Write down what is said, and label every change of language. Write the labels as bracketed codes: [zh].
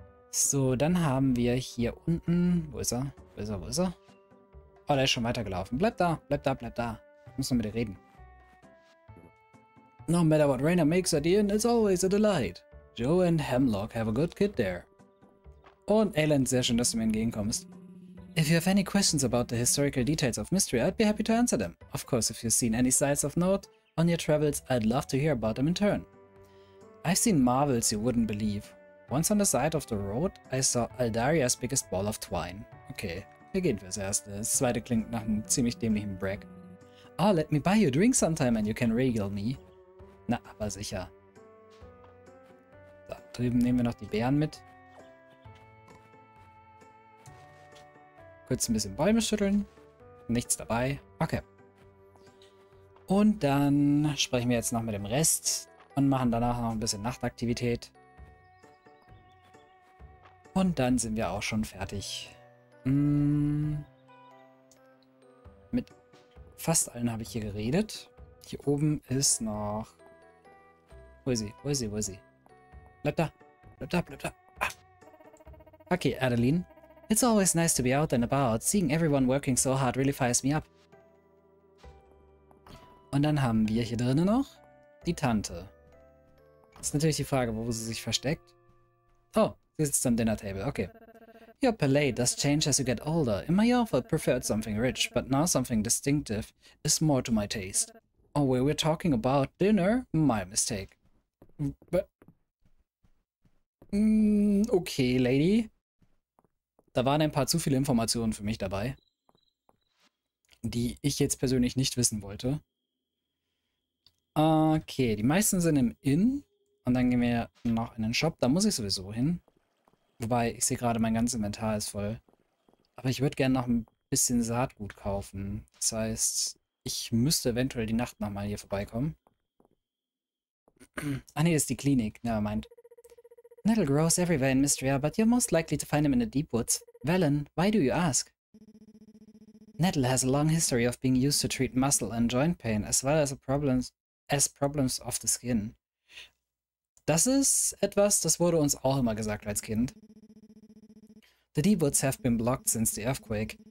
[de] So, dann haben wir hier unten... Wo ist er? Wo ist er? Wo ist er? Oh, der ist schon weitergelaufen. Bleib da, bleib da, bleib da. Muss noch mit dir reden. [en] No matter what Rainer makes at the inn, it's always a delight. Joe and Hemlock have a good kid there. [de] Und Aelin, sehr schön, dass du mir entgegenkommst. [en] If you have any questions about the historical details of Mystery, I'd be happy to answer them. Of course, if you've seen any sights of note on your travels, I'd love to hear about them in turn. I've seen marvels you wouldn't believe. Once on the side of the road, I saw Aldaria's biggest ball of twine. [de] Okay, wir gehen fürs Erste. Das Zweite klingt nach einem ziemlich dämlichen Brag. [en] Oh, let me buy you a drink sometime and you can regale me. [de] Na, aber sicher. Da drüben nehmen wir noch die Beeren mit. Kurz ein bisschen Bäume schütteln. Nichts dabei. Okay. Und dann sprechen wir jetzt noch mit dem Rest. Und machen danach noch ein bisschen Nachtaktivität. Und dann sind wir auch schon fertig. Mit fast allen habe ich hier geredet. Hier oben ist noch... Wo ist sie? Wo ist sie? Wo ist sie? Bleib da! Bleib da! Bleib da! Ah. Okay, Adeline. [en] It's always nice to be out and about. Seeing everyone working so hard really fires me up. [de] Und dann haben wir hier drinnen noch die Tante. Ist natürlich die Frage, wo sie sich versteckt. Oh, sie sitzt am Dinner Table. Okay. [en] Your palate does change as you get older. In my youth, I preferred something rich, but now something distinctive is more to my taste. Oh, well, we're talking about dinner? My mistake. But... okay, Lady. [de] Da waren ein paar zu viele Informationen für mich dabei, die ich jetzt persönlich nicht wissen wollte. Okay, die meisten sind im Inn. Und dann gehen wir noch in den Shop. Da muss ich sowieso hin. Wobei, ich sehe gerade, mein ganzes Inventar ist voll. Aber ich würde gerne noch ein bisschen Saatgut kaufen. Das heißt, ich müsste eventuell die Nacht nochmal hier vorbeikommen. Ah ne, das ist die Klinik. [en] Never mind. Nettle grows everywhere in Mystria, but you're most likely to find him in the deep woods. Velen, why do you ask? Nettle has a long history of being used to treat muscle and joint pain, as well as problems of the skin. [de] Das ist etwas, das wurde uns auch immer gesagt als Kind. [en] The deep woods have been blocked since the earthquake.